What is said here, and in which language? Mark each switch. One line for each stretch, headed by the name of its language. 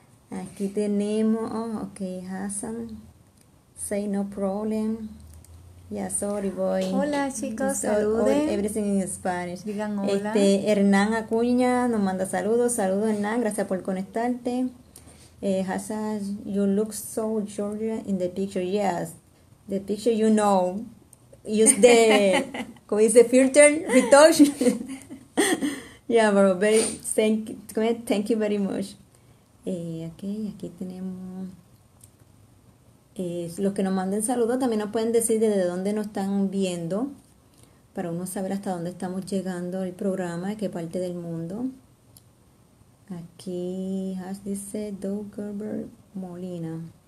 Spanish: Aquí tenemos,
English: oh, ok, Hassan. Say no problem. Yeah, sorry boy.
Spanish: Hola chicos,
English: Just all
Spanish: saluden.
English: everything in Spanish.
Spanish: Digan hola. Hernán Acuña nos manda saludos. Saludos, Hernán, gracias por conectarte.
English: Hassan, you look so Georgia in the picture. Yes, the picture, you know. Use the,
Spanish: ¿cómo dice?
English: Filter, retouch. Yeah, bro, thank you very much.
Spanish: Okay, aquí tenemos. Los que nos manden saludos también nos pueden decir desde dónde nos están viendo, para uno saber hasta dónde estamos llegando el programa, de qué parte del mundo. Aquí has dice Doug Gerber Molina.